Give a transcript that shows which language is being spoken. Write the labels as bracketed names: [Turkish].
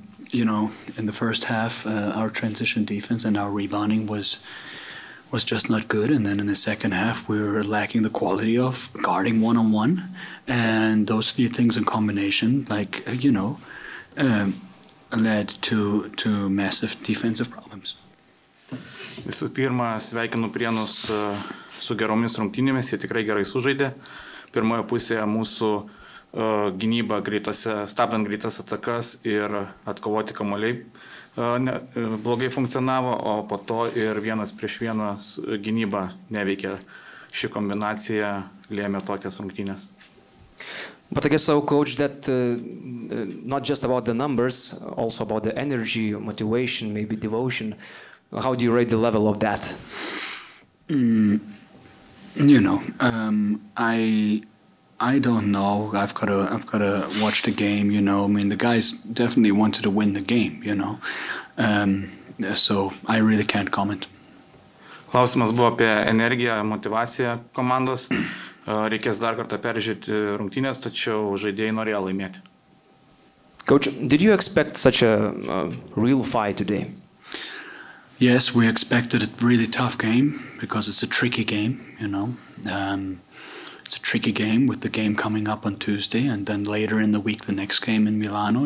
[English] You know, in the first half, our transition defense and our rebounding was just not good. And then in the second half, we were lacking the quality of guarding one-on-one. And those few things in combination, like, you know, led to massive defensive problems. [Lithuanian] Visų pirma, sveikinu Prienus su geromis rungtynėmis, jie tikrai gerai sužaidė. Pirmoje pusėje mūsų gynyba greitose, stabdant greitas atakas ir atkovoti kamuoliai blogai funkcionavo, o po to ir vienas prieš vieną gynyba neveikė. Ši kombinacija lėmė tokias rungtynės. [English] But I guess so, coach, that not just about the numbers, also about the energy, motivation, maybe devotion. How do you rate the level of that? You know, I don't know. I've got to watch the game. You know, I mean, the guys definitely wanted to win the game. You know, so I really can't comment. [Lithuanian] Klausimas buvo apie energiją, motivaciją komandos. Reikės dar kartą peržiūrėti rungtynės, tačiau žaidėjai norėjo laimėti. [English] Coach, did you expect such a real fight today? Yes, we expected a really tough game because it's a tricky game, you know. It's a tricky game with the game coming up on Tuesday and then later in the week the next game in Milano.